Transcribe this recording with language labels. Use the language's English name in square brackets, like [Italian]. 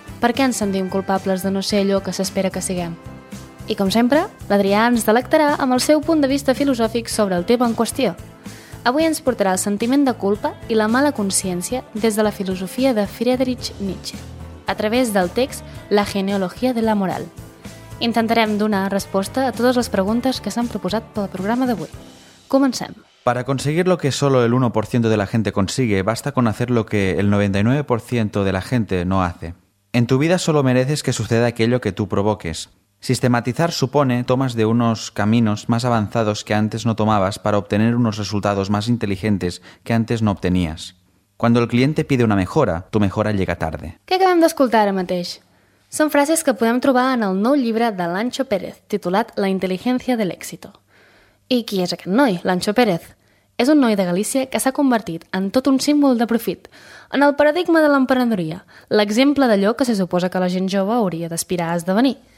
[Catalan] Per què ens sentim culpables de no ser allò que s'espera que siguem? I com sempre, l'Adrià ens delectarà amb el seu punt de vista filosòfic sobre el tema en qüestió. Avui ens portarà el sentiment de culpa i la mala consciència des de la filosofia de Friedrich Nietzsche, a través del text La genealogia de la moral. Intentarem donar resposta a totes les preguntes que s'han proposat pel programa d'avui. Comencem. [Spanish] Para conseguir lo que solo el 1% de la gente consigue, basta con hacer lo que el 99% de la gente no hace. En tu vida solo mereces que suceda aquello que tú provoques. Sistematizar supone tomas de unos caminos más avanzados que antes no tomabas para obtener unos resultados más inteligentes que antes no obtenías. Cuando el cliente pide una mejora, tu mejora llega tarde. [Catalan] Què acabem d'escoltar ara mateix? Són frases que podem trobar en el nou llibre de l'Ancho Pérez, titulat La intel·ligència de l'èxito. I qui és aquest noi, l'Ancho Pérez? És un noi de Galícia que s'ha convertit en tot un símbol de profit, en el paradigma de l'emprenedoria, l'exemple d'allò que se suposa que la gent jove hauria d'aspirar a esdevenir.